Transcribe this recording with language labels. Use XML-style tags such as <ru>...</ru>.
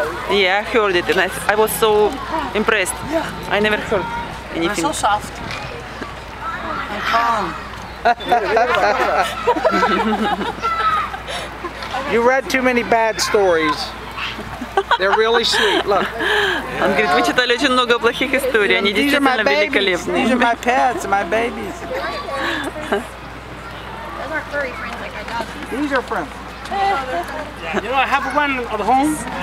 <en>Yeah, I heard it and I was so impressed. I never heard anything. They're so soft and calm. You read too many bad stories. They're really sweet. Look.</en> <ru>Он говорит, вы читали очень много плохих историй. Они действительно великолепны.</ru> <en>These are my pets, my babies. Those aren't furry friends like I got. These are friends. You know, I have one at home.</en>